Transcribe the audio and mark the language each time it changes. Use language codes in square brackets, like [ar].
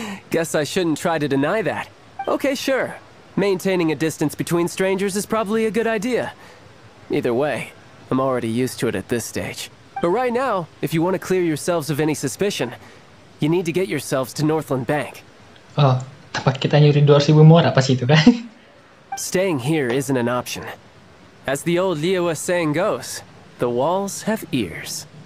[en] Guess I shouldn't try to deny that. Okay, sure. Maintaining a distance between strangers is probably a good idea. Either way, I'm already used to it at this stage. But right now, if you want to clear yourselves of any suspicion, you need to get yourselves to Northland Bank. Oh. [id] Tempat kita nyuri 2000 mor apa sih itu kan? [en] Staying here isn't an option. As the old Liyue saying goes, the walls have ears.